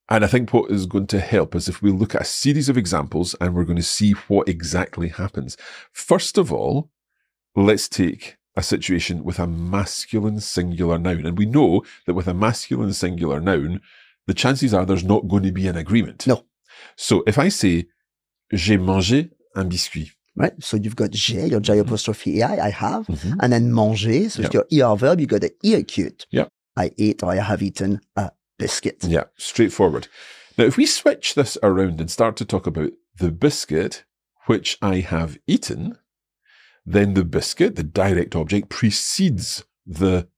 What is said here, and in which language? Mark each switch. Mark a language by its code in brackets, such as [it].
[en] And I think what is going to help is if we look at a series of examples and we're going to see what exactly happens. First of all, let's take a situation with a masculine singular noun. And we know that with a masculine singular noun, the chances are there's not going to be an agreement. No. So if I say, [fr] j'ai mangé un biscuit. [en] Right. So you've got j'ai, your j'ai apostrophe mm-hmm. ai, I have. Mm-hmm. And then manger, so yep. it's your ER verb, you've got an E acute. Yeah. I ate or I have eaten a biscuit. Yeah, straightforward. Now, if we switch this around and start to talk about the biscuit, which I have eaten, then the biscuit, the direct object, precedes the